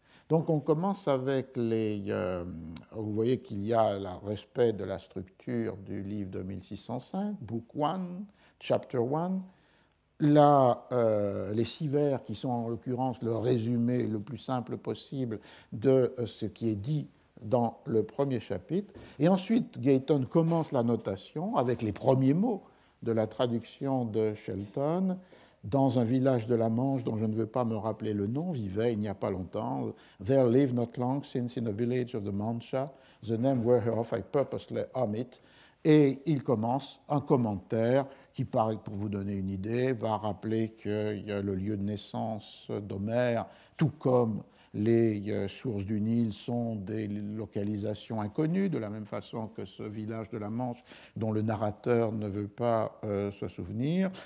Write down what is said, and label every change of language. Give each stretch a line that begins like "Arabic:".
French: Donc on commence avec vous voyez qu'il y a le respect de la structure du livre de 1605, Book 1, Chapter 1, les six vers qui sont en l'occurrence le résumé le plus simple possible de ce qui est dit dans le premier chapitre. Et ensuite, Gayton commence la notation avec les premiers mots de la traduction de Shelton. Dans un village de la Manche dont je ne veux pas me rappeler le nom, vivait il n'y a pas longtemps.
English: There lived not long since in a village of the Mancha, the name whereof I purposely omit.
French: Et il commence un commentaire qui, pour vous donner une idée, va rappeler que le lieu de naissance d'Homère, tout comme les sources du Nil, sont des localisations inconnues, de la même façon que ce village de la Manche dont le narrateur ne veut pas se souvenir.